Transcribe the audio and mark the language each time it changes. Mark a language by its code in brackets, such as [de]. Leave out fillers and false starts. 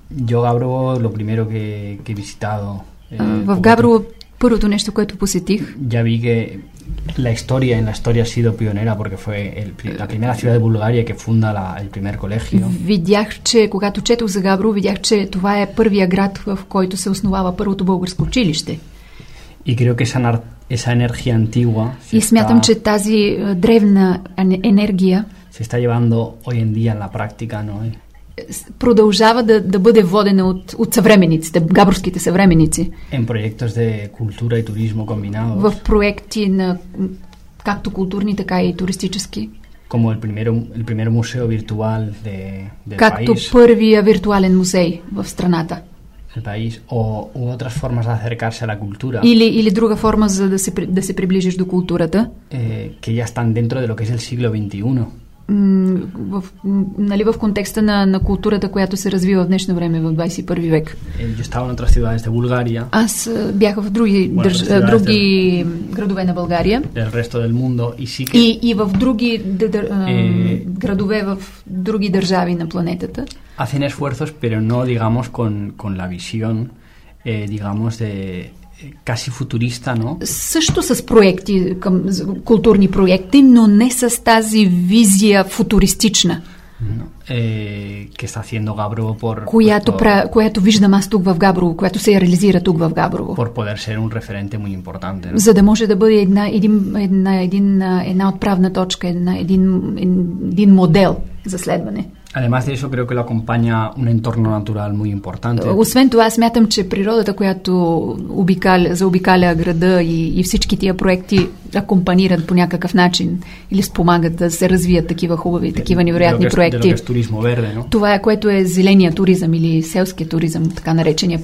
[es] Yo Габрово lo primero que he visitado. [bg] В Габрово първото нещо, което посетих. [es] Ya vi que la historia ha sido pionera porque fue la primera ciudad de Bulgaria que funda el primer colegio. [bg] Видях, че когато четох за Габрово, видях, че това е първия град, в който се основава първото българско училище. [es] И creo que esa energía antigua se está llevando hoy en día en la práctica, ¿no? [bg] Продължава да, да бъде водена от, от съвременниците, габровските съвременници. [es] En proyectos de cultura y turismo combinados. [bg] В проекти на както културни, така и туристически. [es] Como el primero museo virtual de, del [bg] както [es] país. [bg] Първия виртуален музей в страната. [es] El país, o, u otras formas de acercarse a la cultura. [bg] Или, или друга форма за да се, да се приближиш до културата. [es] Que ya están dentro de lo que es el siglo XXI. [bg] В, нали, в контекста на, на културата, която се развива в днешно време, в 21 век. [es] Yo estaba en otras ciudades de Bulgaria. [bg] Аз бях в други, bueno, държ... други del... градове на България. [es] Del resto del mundo, y sí que... [bg] и, и в други градове, в други държави на планетата. [es] Hacen esfuerzos, pero no, digamos, con, con la visión, digamos, de... casi futurista, ¿no? [bg] Също с проекти, към, културни проекти, но не с тази визия футуристична. [es] No. Que está haciendo Габрово por... [bg] която, [es] por todo, [bg] която виждам аз тук в Габрово, която се реализира тук в Габрово. [es] Por poder ser un referente muy importante, ¿no? [bg] За да може да бъде една, един, една, един, една отправна точка, една, един, един модел за следване. [es] Además de eso, creo que lo acompaña un entorno natural muy importante. [bg] Освен това, смятам, че природата, която обикаля, заобикаля града и, и всички тия проекти акомпанират по някакъв начин или спомагат да се развият такива хубави, такива невероятни проекти. [es] De lo que es turismo verde, no? [bg] Това е, което е зеления туризъм или селския туризъм, така наречения.